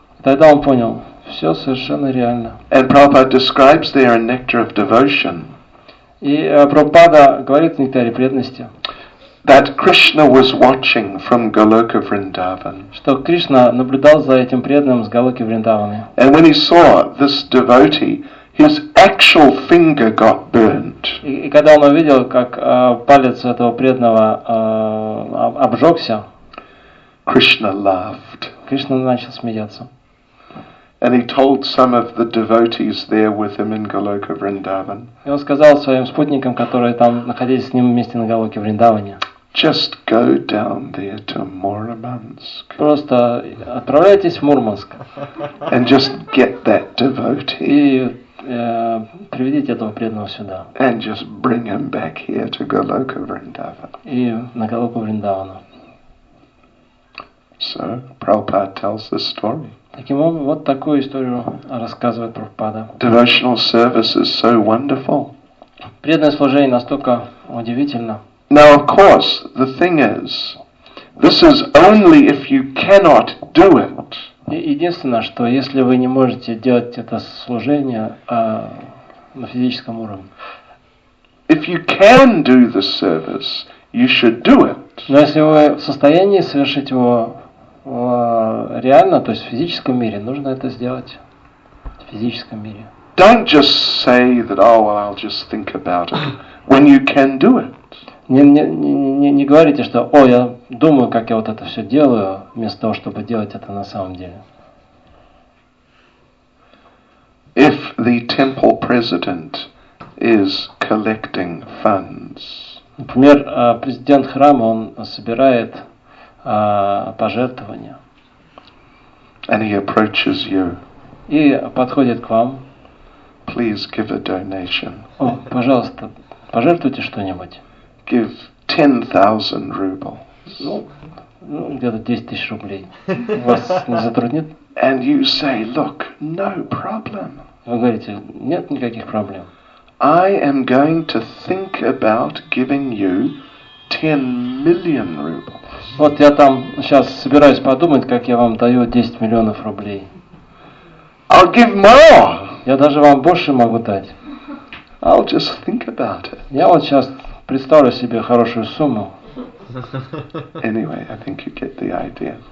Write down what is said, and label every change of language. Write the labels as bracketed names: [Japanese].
[Russian] Тогда он понял, все совершенно реально. [English] And Prabhupada describes there a nectar of devotion. [Russian] И Прабхупада говорит в нектаре преданности. [English] That Krishna was watching from Goloka Vrindavan. [Russian] Что Кришна наблюдал за этим преданным с Голоки Вриндаваны. [English] And when he saw this devotee, his actual finger got burnt. [Russian] И когда он увидел, как палец этого преданного обжегся, [English] Krishna laughed. [Russian] Кришна начал смеяться. [English] And he told some of the devotees there with him in Goloka Vrindavan. [Russian] И он сказал своим спутникам, которые там находились с ним вместе на Голоке Вриндаване. [English] Just go down there to Murmansk. [Russian] Просто отправляйтесь в Мурманск. [English] And just get that devotee. [Russian] И приведите этого преданного сюда. [English] And just bring him back here to Goloka Vrindavan. [Russian] И на Голоку Вриндавана. [English] So Prabhupada tells the story. [Russian] Таким образом, вот такую историю рассказывает Прабхупада. [English] Devotional service is so wonderful. [Russian] Преданное служение настолько удивительно. [English] Now, of course, the thing is, this is only if you cannot do it. [Russian] Единственное, что если вы не можете делать это служение на физическом уровне. [English] If you can do the service, you should do it. [Russian] Но если вы в состоянии совершить его реально, то есть в физическом мире, нужно это сделать. В физическом мире. [English] Don't just say that, oh, well, I'll just think about it, when you can do it. [Russian] Не говорите, что «О, я думаю, как я вот это все делаю», вместо того, чтобы делать это на самом деле. [English] If the temple president is collecting funds. [Russian] Например, президент храма, он собирает пожертвования. [English] And he approaches you. [Russian] И подходит к вам. [English] Please give a donation. [Russian] О, пожалуйста, пожертвуйте что-нибудь. [English] Give 10,000 rubles. [Russian] Ну, где-то 10,000 рублей. Вас не затруднит? [English] And you say, look, no problem. [Russian] Вы говорите, нет никаких проблем. [English] I am going to think about giving you 10,000,000 rubles. [Russian] Вот я там сейчас собираюсь подумать, как я вам даю 10 миллионов рублей. [English] I'll give more. [Russian] Я даже вам больше могу дать. [English] I'll just think about it. [Russian] Я вот сейчас представлю себе хорошую сумму. [English] Anyway, I think you get the idea.